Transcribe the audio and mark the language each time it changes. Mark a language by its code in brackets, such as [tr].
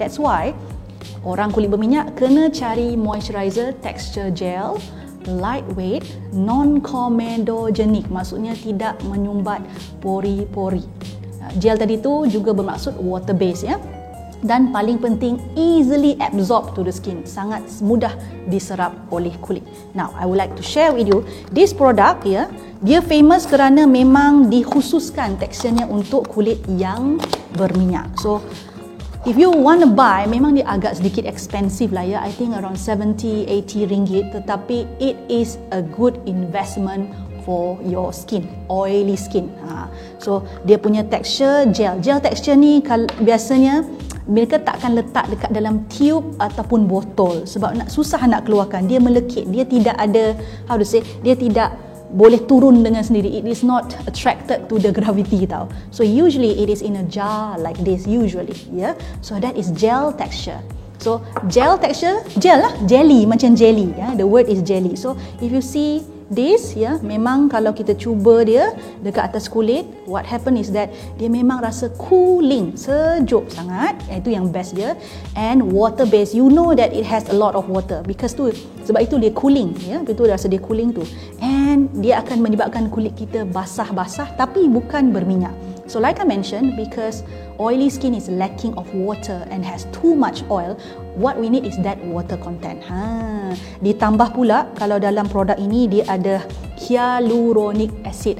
[en] That's why [ms] orang kulit berminyak kena cari moisturizer texture gel, lightweight, non-comedogenic, maksudnya tidak menyumbat pori-pori. Gel tadi tu juga bermaksud water-based ya. Dan paling penting, [en] easily absorb to the skin, [ms] sangat mudah diserap oleh kulit. [en] Now, I would like to share with you this product ya. [ms] Yeah, dia famous kerana memang dikhususkan teksturnya untuk kulit yang berminyak. [en] So if you want to buy, [ms] memang dia agak sedikit expensive lah ya. [en] I think around 70-80 ringgit, tetapi it is a good investment for your skin, oily skin. [ms] Ha. So dia punya texture gel. Gel texture ni biasanya mereka takkan letak dekat dalam tube ataupun botol sebab nak susah nak keluarkan. Dia melekit. Dia tidak ada, [en] how to say, [ms] dia tidak boleh turun dengan sendiri. [en] It is not attracted to the gravity tau. So usually it is in a jar like this, usually. Yeah. So that is gel texture. So gel texture, gel lah, jelly, [ms] macam jelly. [en] Yeah. The word is jelly. So if you see this, yeah, [ms] memang kalau kita cuba dia dekat atas kulit, [en] what happen is that [ms] dia memang rasa cooling, sejuk sangat. Itu yang best dia. [en] And water based, you know that it has a lot of water because tu, [ms] sebab itu dia cooling. [en] Yeah. [ms] Itu rasa dia cooling tu. And dia akan menyebabkan kulit kita basah-basah tapi bukan berminyak. [en] So like I mentioned, because oily skin is lacking of water and has too much oil, what we need is that water content. Ha. [ms] Ditambah pula, kalau dalam produk ini dia ada hyaluronic acid.